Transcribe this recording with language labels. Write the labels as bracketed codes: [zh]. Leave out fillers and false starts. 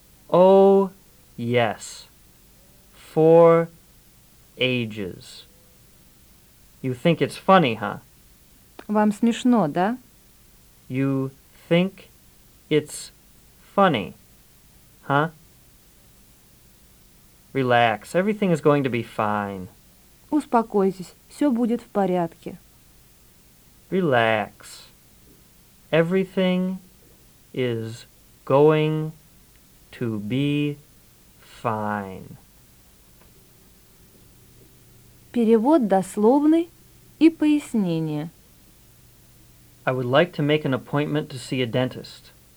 [en] Oh, yes, for ages. You think it's funny, huh? [ru] Вам смешно, да? [en] You think it's funny, huh? Relax, everything is going to be fine. [ru] Успокойтесь, все будет в порядке. [en] Relax. Everything is going to be fine. [ru] Перевод дословный и пояснение. [en] I would like to make an appointment to see a dentist.